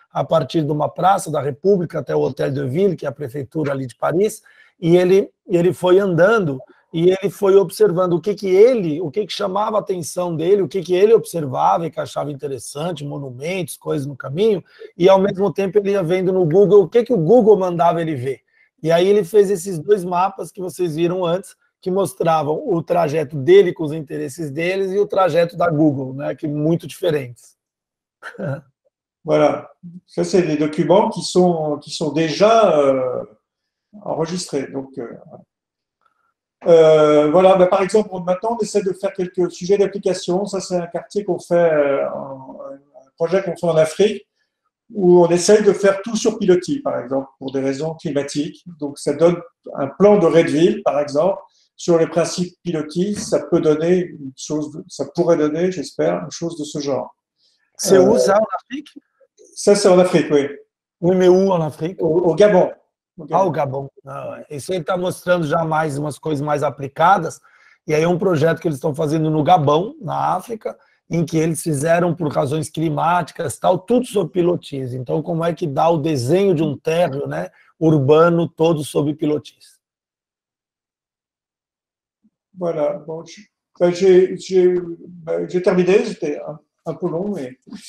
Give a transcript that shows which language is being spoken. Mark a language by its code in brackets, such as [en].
[pt] a partir de uma praça da República até o Hôtel de Ville, que é a prefeitura ali de Paris, e ele foi andando e ele foi observando o que chamava a atenção dele, o que ele observava e que achava interessante, monumentos, coisas no caminho, e ao mesmo tempo ele ia vendo no Google o que o Google mandava ele ver. E aí ele fez esses dois mapas que vocês viram antes, que mostravam o trajeto dele com os interesses deles e o trajeto da Google, né, que muito diferentes. [fr] Voilà, ça c'est des documents qui sont déjà enregistrés. Donc voilà, ben, par exemple, maintenant on essaie de faire quelques sujets d'application. Ça c'est un quartier qu'on fait, un projet qu'on fait en Afrique, où on essaye de faire tout sur pilotis, par exemple, pour des raisons climatiques. Donc ça donne un plan de Redville, par exemple, sur les principes pilotis. Ça peut donner une chose, ça pourrait donner, j'espère, une chose de ce genre. C'est où ça, en Afrique? Ça, c'est en Afrique, oui. Oui, mais où en Afrique? Au Gabon. Au Gabon. Ah, ouais. [pt] Isso aí está mostrando já mais umas coisas mais aplicadas. E aí um projeto que eles estão fazendo no Gabão, na África, em que eles fizeram por razões climáticas, tal, tudo sob pilotis. Então, como é que dá o desenho de um térreo, né, urbano todo sob pilotis? [fr] Voilà. Bon, j'ai terminé, j'étais un peu long, mais...